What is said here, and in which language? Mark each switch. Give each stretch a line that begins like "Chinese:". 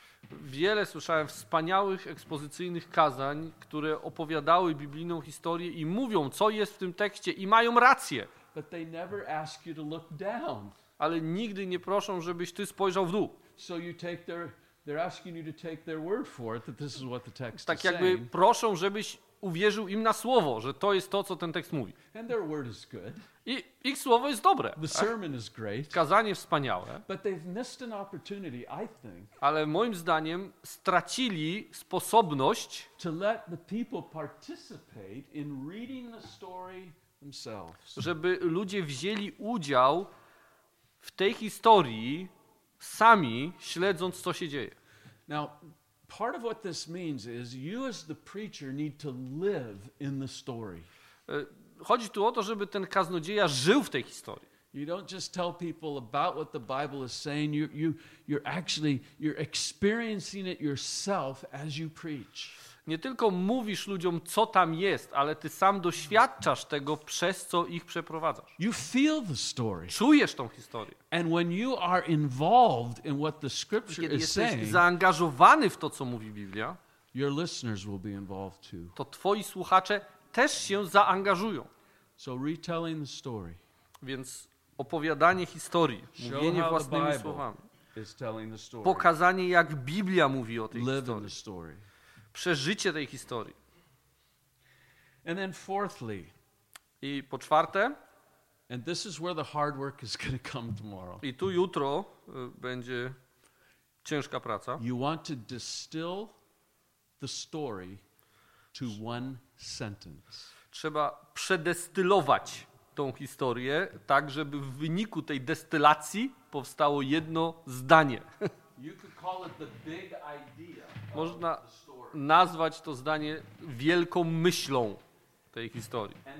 Polish: Wiele słyszałem wspaniałych ekspozycyjnych kazań, które opowiadały biblijną historię i mówią, co jest w tym tekście, i mają rację.
English: But they never ask you to look down.
Polish: Ale nigdy nie proszą, żebyś ty spojrzał w dół.
English: So you take their, they're asking you to take their word for it, that this is what the text
Polish: is. Tak jakby proszą, żebyś uwierzył im na słowo, że to jest to, co ten tekst mówi.
English: And their word is good.
Polish: I ich słowo jest dobre.
English: The sermon is great.
Polish: Kazanie wspaniałe.
English: But they've missed an opportunity, I think.
Polish: Ale moim zdaniem stracili sposobność
English: to let the people participate in reading the story themselves.
Polish: Żeby ludzie wzięli udział w tej historii sami, śledząc, co się dzieje.
English: Now, part of what this means is you as the preacher need to live in the story.
Polish: Chodzi tu o to, żeby ten kaznodzieja żył w tej historii.
English: You don't just tell people about what the Bible is saying, you're experiencing it yourself as you preach.
Polish: Nie tylko mówisz ludziom, co tam jest, ale ty sam doświadczasz tego, przez co ich przeprowadzasz.
English: You feel the story.
Polish: Czujesz tą historię.
English: And when you are involved in what the scripture is saying,
Polish: zaangażowany w to, co mówi Biblia,
English: your listeners will be involved too.
Polish: To twoi słuchacze też się zaangażują.
English: So retelling the story.
Polish: Więc opowiadanie historii, mówienie własnymi słowami,
English: is telling the story.
Polish: Pokazanie, jak Biblia mówi o tej
English: live
Polish: historii.
English: In the story.
Polish: Przeżycie tej historii.
English: And then fourthly,
Polish: i po czwarte,
English: and this is where the hard work is going to come tomorrow.
Polish: I tu jutro będzie ciężka praca.
English: You want to distill the story to one sentence.
Polish: Trzeba przedestylować tą historię tak, żeby w wyniku tej destylacji powstało jedno zdanie.
English: You could call it the big idea.
Polish: Można nazwać to zdanie wielką myślą tej historii.